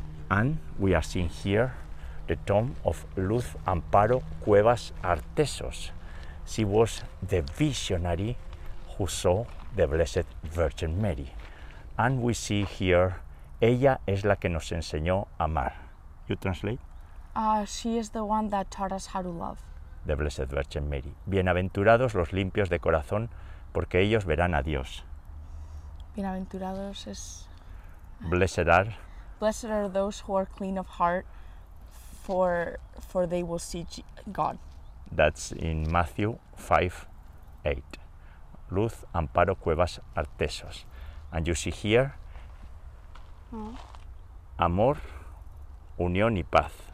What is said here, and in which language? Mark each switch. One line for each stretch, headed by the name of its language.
English: And we are seeing here the tomb of Luz Amparo Cuevas Artesos, She was the visionary who saw the Blessed Virgin Mary. And we see here,
Spanish: ella es la que nos enseñó a amar.
English: You translate? She is the one that taught us how to love. The Blessed Virgin Mary.
Spanish: Bienaventurados los limpios de corazón, porque ellos verán a Dios. Bienaventurados es...
English: Blessed are those who are clean of heart, for they will see God. That's in Matthew 5:8. Luz, amparo, cuevas, artesos. And you see here,
Spanish: amor, unión y paz.